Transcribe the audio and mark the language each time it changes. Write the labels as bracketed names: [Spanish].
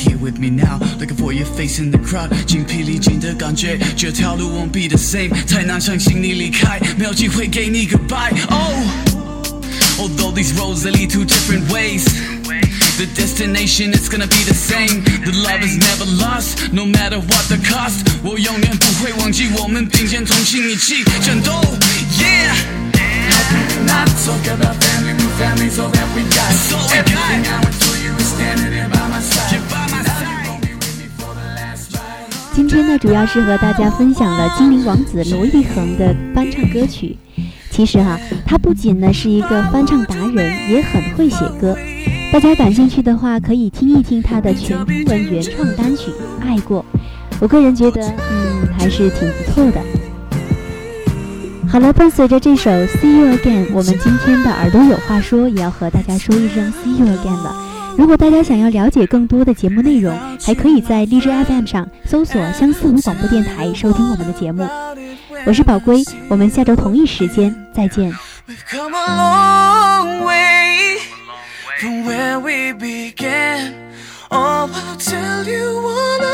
[English] Me now, looking for your face in the crowd. [Chinese] 精疲力尽的感觉，这条路 [English] won't be the same. [Chinese] 太难相信你离开，没有机会给你 goodbye. [English] Oh, although these roads they lead to different ways, the destination is gonna be the same. The love is never lost, no matter what the cost. [Chinese] 我永远不会忘记我们并肩同心一起战斗。Yeah, [English] how can we not talk about family? Family's all that we got. So we got. Everything I went through, you were standing there by my side. [Chinese] 今天呢，主要是和大家分享了精灵王子罗一恒的翻唱歌曲。其实哈，他不仅呢是一个翻唱达人，也很会写歌。大家感兴趣的话，可以听一听他的全英文原创单曲《爱过》。我个人觉得，还是挺不错的。好了，伴随着这首《See You Again》，我们今天的耳朵有话说也要和大家说一声《See You Again》了。如果大家想要了解更多的节目内容，还可以在荔枝 FM 上搜索相思湖广播电台收听我们的节目。我是宝龟，我们下周同一时间再见。 [English] We've come a long way from where we began. Oh, I'll tell you what